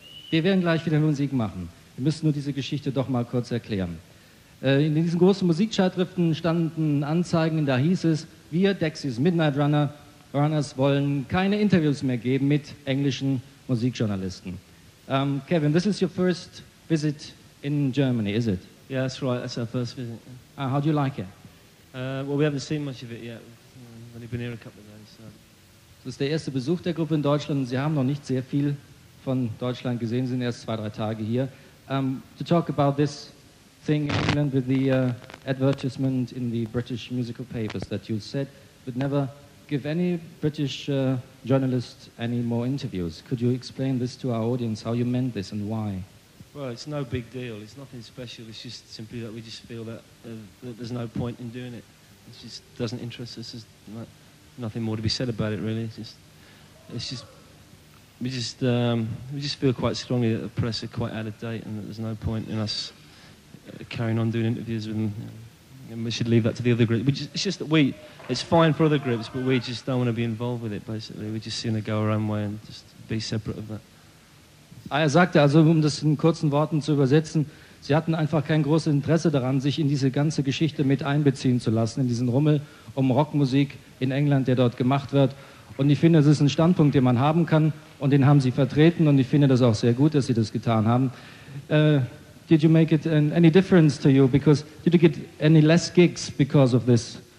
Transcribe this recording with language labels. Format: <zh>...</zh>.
<de>Wir werden gleich wieder Musik machen. Wir müssen nur diese Geschichte doch mal kurz erklären. In diesen großen Musikzeitschriften standen Anzeigen, da hieß es, wir, Dexys Midnight Runners, wollen keine Interviews mehr geben mit englischen Musikjournalisten.</de> <en>Kevin, this is your first visit in Germany, is it? Yeah, that's right, that's our first visit. How do you like it? Well, we haven't seen much of it yet. We've only been here a couple of days, so...</en> <de>Das ist der erste Besuch der Gruppe in Deutschland. Sie haben noch nicht sehr viel von Deutschland gesehen. Sie sind erst 2-3 Tage hier.</de> <en>To talk about this thing in England with the advertisement in the British musical papers that you said would never give any British journalist any more interviews. Could you explain this to our audience, how you meant this and why? Well, it's no big deal. It's nothing special. It's just simply that we just feel that, that there's no point in doing it. It just doesn't interest us. It's not... Nothing more to be said about it, really. We just feel quite strongly that the press are quite out of date, and that there's no point in us carrying on doing interviews with them. And we should leave that to the other groups. It's fine for other groups, but we just don't want to be involved with it. Basically, we just seem to go our own way and just be separate of that.</en> <de>Er sagte also, um das in kurzen Worten zu übersetzen, sie hatten einfach kein großes Interesse daran, sich in diese ganze Geschichte mit einbeziehen zu lassen, in diesen Rummel um Rockmusik in England, der dort gemacht wird. Und ich finde, das ist ein Standpunkt, den man haben kann, und den haben sie vertreten, und ich finde das auch sehr gut, dass sie das getan haben.</de> <en>Did you make it any difference to you? Because did you get any less gigs because of this?</en>